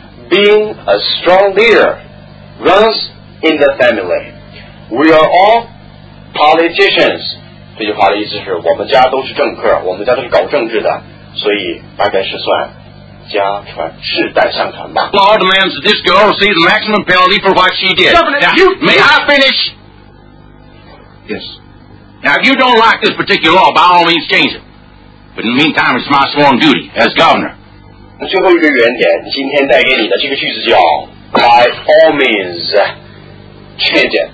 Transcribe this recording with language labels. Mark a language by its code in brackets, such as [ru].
[en] Being a strong leader runs in the family. We are all politicians. [zh] 这句话的意思是我们家都是政客，我们家都是搞政治的，所以大概是算家传世代相传吧。 [en] Law demands that this girl receive the maximum penalty for what she did. Governor, now, you, may I finish? Yes. Now, if you don't like this particular law, by all means, change it. But in the meantime, it's my sworn duty as governor. [zh] 那最后一个原点，今天带给你的这个句子叫 [en] By all means change it.